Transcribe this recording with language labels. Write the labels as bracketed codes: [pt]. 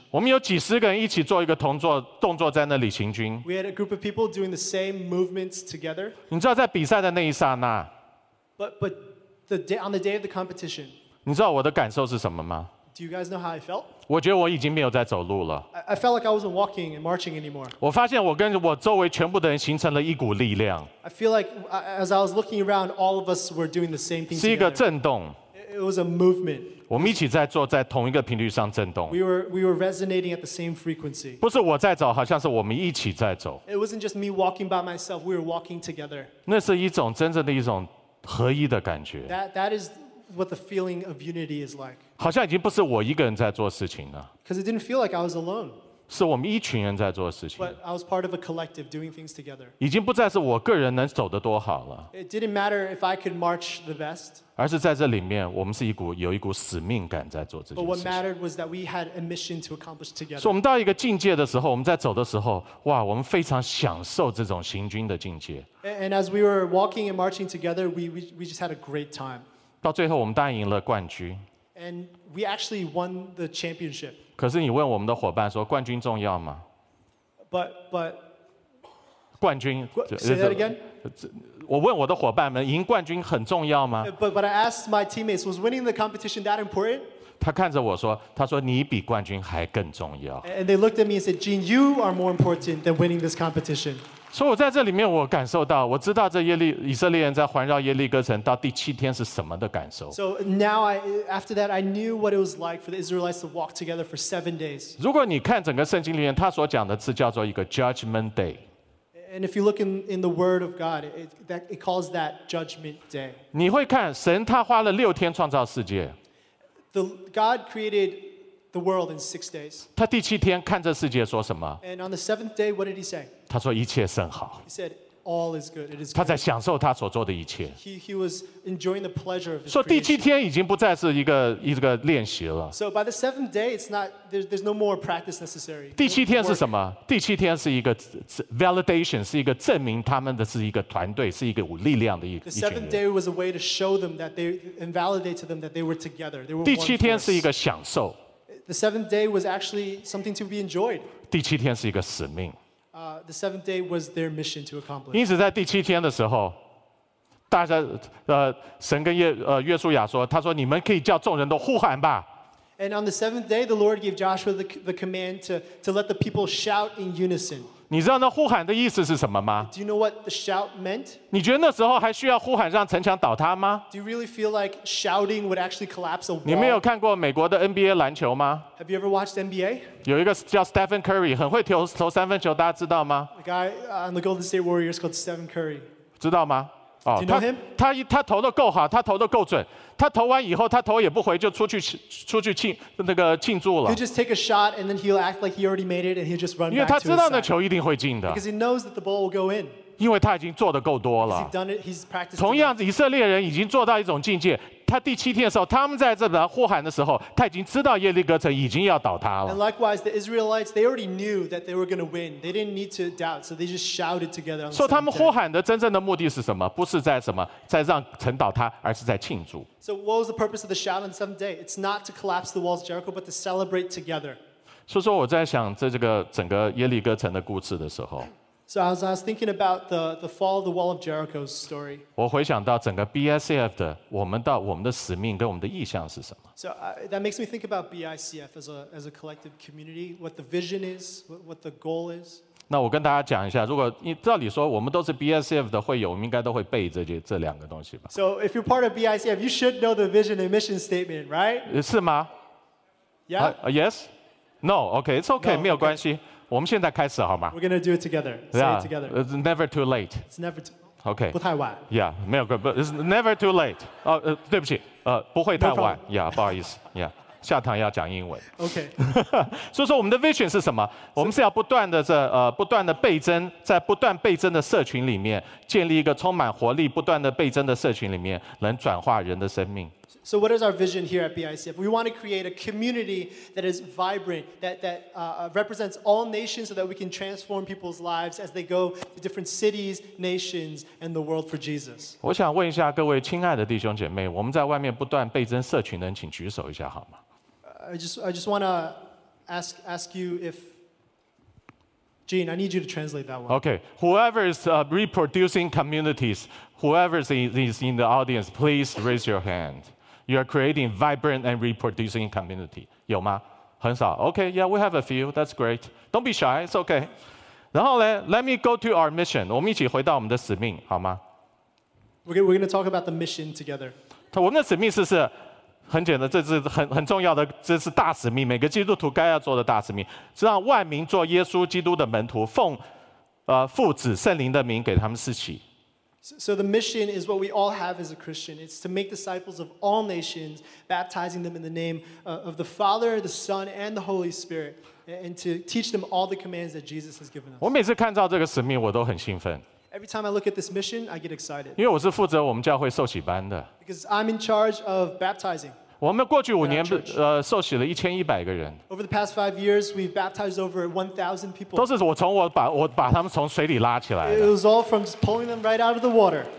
[zh] 我们有几十个人一起做一个同作动作在那里行军。 [en] We had a group of people doing the same movements together. [zh] 你知道在比赛的那一刹那。 [en] But the day on the day of the competition. [zh] 你知道我的感受是什么吗？ [en] Do you guys know how I felt? [zh] 我觉得我已经没有在走路了。 [en] I felt like I wasn't walking and marching anymore. [zh] 我发现我跟我周围全部的人形成了一股力量。 [en] I feel like as I was looking around, all of us were doing the same thing. [zh] 是一个震动。 [en] It was a movement. [zh] 我们一起在做，在同一个频率上震动。 [en] We were resonating at the same frequency. [zh] 不是我在走，好像是我们一起在走。 [en] It wasn't just me walking by myself. We were walking together. [zh] 那是一种真正的一种合一的感觉。 [en] That is what the feeling of unity is like. [zh] 好像已经不是我一个人在做事情了。 [en] Because it didn't feel like I was alone. [zh] 是我们一群人在做事情。 [en] But I was part of a collective doing things together. [zh] 已经不再是我个人能走得多好了。 [en] It didn't matter if I could march the best. [zh] 而是在这里面，我们是有一股使命感在做这件事情。 [en] But what mattered was that we had a mission to accomplish together. [zh] 所以我们到一个境界的时候，我们在走的时候，哇，我们非常享受这种行军的境界。 [en] And as we were walking and marching together, we just had a great time. [zh] 到最后，我们当然赢了冠军。 [en] And we actually won the championship. [zh] 可是你问我们的伙伴说，冠军重要吗？ [en] But [zh] 冠军 [en] Say that again. [zh] 我问我的伙伴们，赢冠军很重要吗？ [en] But I asked my teammates, was winning the competition that important? [zh] 他看着我说，他说你比冠军还更重要。 [en] And they looked at me and said, Gene, you are more important than winning this competition. [zh] 所以我在这里面，我感受到，我知道这以色列人在环绕耶利哥城到第七天是什么的感受。 [en] So now, after that, I knew what it was like for the Israelites to walk together for seven days. [zh] 如果你看整个圣经里面，他所讲的字叫做一个 Judgment Day。 [en] And if you look in the Word of God, it calls that Judgment Day. [zh] 你会看神他花了六天创造世界。 [en] God created the world in six days. [zh] 他第七天看这世界说什么？ [en] And on the seventh day, what did he say? [zh] 他说一切甚好。 [en] He said all is good. It is. [zh] 他在享受他所做的一切。 [en] He was enjoying the pleasure of his. [zh] 说第七天已经不再是一个练习了。 [en] So by the seventh day, it's not there's no more practice necessary. [zh] 第七天是什么？第七天是一个 validation, 是一个证明他们的是一个团队，是一个力量的一群人。 [en] The seventh day was a way to show them that they and validate to them that they were together. They were one. [zh] 第七天是一个享受。 [en] The seventh day was actually something to be enjoyed. [zh] 第七天是一个使命。 [en] The seventh day was their mission to accomplish. [zh] 因此，在第七天的时候，大家神跟约书亚说，他说你们可以叫众人都呼喊吧。 [en] And on the seventh day, the Lord gave Joshua the command to let the people shout in unison. [zh] 你知道那呼喊的意思是什么吗 [en] ？Do you know what the shout meant? [zh] 你觉得那时候还需要呼喊让城墙倒塌吗 [en] ？Do you really feel like shouting would actually collapse a wall? [zh] 你没有看过美国的 NBA 篮球吗 [en] ？Have you ever watched NBA? [zh] 有一个叫 Stephen Curry， 很会投三分球，大家知道吗 [en] ？The guy on the Golden State Warriors called Stephen Curry。 [zh] 知道吗？ [en] 哦、Do you know him? [zh] 他投得够好，他投得够准。他投完以后，他头也不回就出去庆祝了。 [en] He'll just take a shot and then he'll act like he already made it and he'll just run back to his side. [zh] 因为他知道那球一定会进的。 [en] Because he knows that the ball will go in. [zh] 因为他已经做得够多了。 [en] He's done it. He's practiced. [zh] 同样，以色列人已经做到一种境界，他第七天的时候，他们在这边呼喊的时候，他已经知道耶利哥城已经要倒塌了。 [en] And likewise, the Israelites, they already knew that they were going to win. They didn't need to doubt, so they just shouted together. [zh] 所以他们呼喊的真正的目的是什么？不是在什么，在让城倒塌，而是在庆祝。 [en] So what was the purpose of the shout on the seventh day? It's not to collapse the walls of Jericho, but to celebrate together. [zh] 所以说我在想在这个整个耶利哥城的故事的时候。 [en] So as I was thinking about the fall of the wall of Jericho's story, [zh] 我回想到整个 BICF 的我们的使命跟我们的意向是什么。 [en] So that makes me think about BICF as a collective community, what the vision is, what the goal is. [zh] 那我跟大家讲一下，如果照理说我们都是 BICF 的会友，我们应该都会背这两个东西吧。 [en] So if you're part of BICF, you should know the vision and mission statement, right? [zh] 是吗 [en] ？Yeah. Yes. No. Okay. It's okay. No, [zh] 没有关系。 Okay. 我们现在开始好吗 [en] ？We're gonna do it together. Say it together. It's never too late. It's never too. Okay. [zh] 不太晚。 [en] Yeah, [zh] 没有，不 [en] ，It's never too late. [zh] 哦，对不起，不会太晚。Yeah, 不好意思。 Yeah, 下堂要讲英文。 [en] Okay. [zh] 所以说我们的 vision 是什么？我们是要不断的不断的倍增，在不断倍增的社群里面，建立一个充满活力、不断的倍增的社群里面，能转化人的生命。 [en] So what is our vision here at BICF? We want to create a community that is vibrant, that represents all nations so that we can transform people's lives as they go to different cities, nations, and the world for Jesus. [zh] 我想问一下各位亲爱的弟兄姐妹，我们在外面不断倍增社群的人，请举手一下好吗 [en] ？I just want to ask you if Gene, I need you to translate that one. Okay, whoever is reproducing communities, whoever is in the audience, please raise your hand. You are creating vibrant and reproducing community. [zh] 有吗？很少。 [en] Okay, yeah, we have a few. That's great. Don't be shy. It's okay. [zh] 然后呢 [en] ，Let me go to our mission. [zh] 我们一起回到我们的使命，好吗 [en] ？We're going to talk about the mission together. [zh] 我们的使命是很简单，这是很重要的，这是大使命，每个基督徒该要做的大使命，是让万民做耶稣基督的门徒，奉父子圣灵的名给他们施洗。 [en] So the mission is what we all have as a Christian. It's to make disciples of all nations, baptizing them in the name of the Father, the Son, and the Holy Spirit, and to teach them all the commands that Jesus has given us. [zh] 我每次看到这个使命，我都很兴奋。 [en] Every time I look at this mission, I get excited. [zh] 因为我是负责我们教会受洗班的。 [en] Because I'm in charge of baptizing. [zh] 我们过去五年受洗了1100个人。 [en] Over the past 5 years, we've baptized over 1,000 people. [zh] 都是我把他们从水里拉起来的。 [en] It was all from just pulling them right out of the water.